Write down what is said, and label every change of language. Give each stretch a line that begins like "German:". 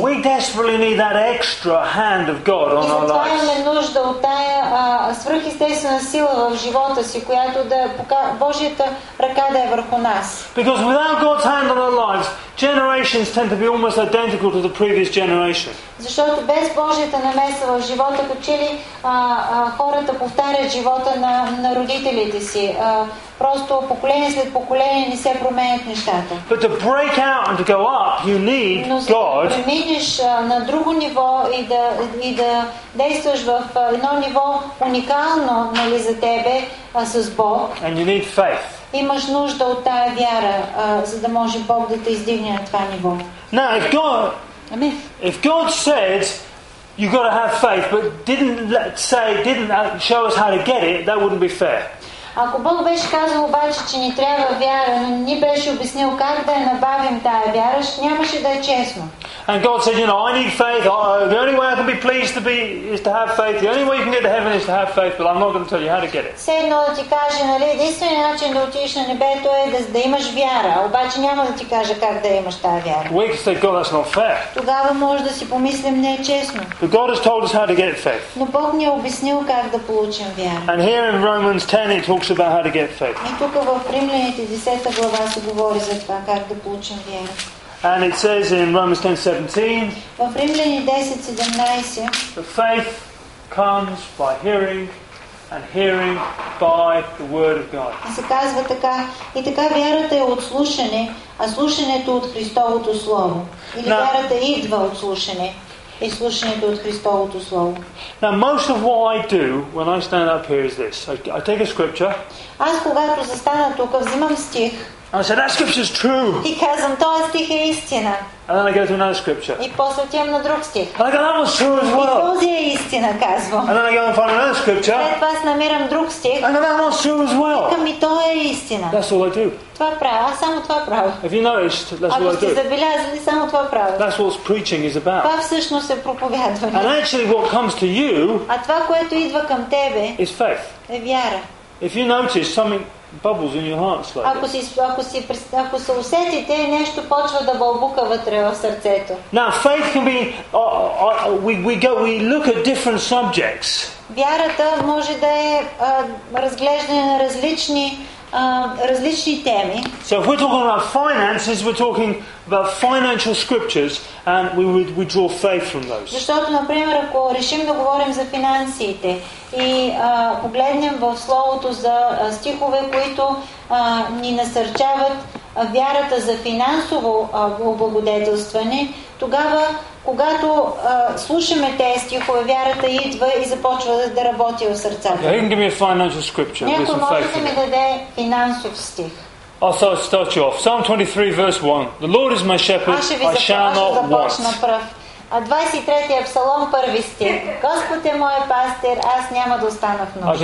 English: We desperately need that extra hand of God on our lives.
Bulgarian: Имаме нужда от тая свръхестествена сила в живота си, която да покаже Божията ръка да е върху нас.
English: Because without God's hand on our lives, generations tend to be almost identical to the previous generation.
Bulgarian: Защото без Божията намеса в живота, като че ли хората повтарят живота на родителите си. Просто поколение след поколение не се променят нещата.
English: But to break out and to go up, you need God.
Bulgarian: Но преминеш на друго ниво и да действаш в едно ниво уникално, нали, за тебе с Бог.
English: And you need faith.
Bulgarian: Имаш нужда от тая вяра, за да може Бог да те издигне на това ниво.
English: Now, if God said you got to have faith, but didn't show us how to get it, that wouldn't be fair.
Bulgarian: Ако Бог беше казал обаче, че ни трябва вяра, но ни беше обяснил как да я набавим тая вяра, нямаше да е честно.
English: And God said, you know, I need faith. The only way I can be pleased to be is to have faith. The only way you can get to heaven is to have faith, but I'm not going to tell you how to get it.
Bulgarian: Все едно да ти каже, нали, единственият начин да отидеш на небето е да имаш вяра, обаче няма да ти кажа как да имаш тая вяра.
English: We can say, God, that's not fair.
Bulgarian: Тогава може да си помислим, не е честно.
English: But God has told us how to get faith.
Bulgarian: Но Бог ни е обяснил как да получим вяра.
English: And here in Romans 10 it talks about how to get faith.
Bulgarian: И тук в Римляните 10 глава се говори за това как да получим вяра.
English: And it says in Romans 10:17, the faith comes by hearing, and hearing by the word of God.
Bulgarian: Се казва така, и така вярата е от слушане, а слушането от Христовото слово. Или вярата идва от слушане, и слушането от Христовото слово.
English: Now most of what I do when I stand up here is this. I take a scripture.
Bulgarian: Аз когато застана тук, взимам стих.
English: And I said, that scripture is true.
Bulgarian: И казвам, този стих е истина.
English: And then I go to another scripture.
Bulgarian: И после отивам на друг стих.
English: And I go, that one's true as well.
Bulgarian: И този е истина, казвам.
English: And then I go and find another scripture.
Bulgarian: След това аз намирам друг стих.
English: And then that one's true as well.
Bulgarian: Викам, и той е истина.
English: That's all I do.
Bulgarian: Това правя, аз само това правя.
English: Have you noticed? That's I do.
Bulgarian: Ако сте забелязали, само това правя.
English: That's what preaching is about.
Bulgarian: Това всъщност е проповядване.
English: And actually what comes to you,
Bulgarian: а това, което идва към тебе,
English: is faith.
Bulgarian: Е вяра.
English: If you notice something bubbles in your heart slowly.
Bulgarian: Ако се усетите, нещо почва да бълбука вътре в сърцето.
English: Now faith can be we look at different subjects.
Bulgarian: Вярата може да е разглеждане на различни теми.
English: So if we're talking about finances, we're talking about financial scriptures, and we draw faith from those.
Bulgarian: Защото, например, ако решим да говорим за финансите и погледнем в словото за стихове, които ни насърчават вярата за финансово облагодетелстване, тогава, когато слушаме тези стихове, вярата идва и започва да работи в сърцата.
English: Okay, you can give me a financial scripture.
Bulgarian: Някой може да ми даде финансов стих.
English: I'll start you off. Psalm 23, verse 1. The Lord is my shepherd, I shall not want.
Bulgarian: 23-я Псалом, 1 стих. Господ е моят пастир, аз няма да остана в нужда.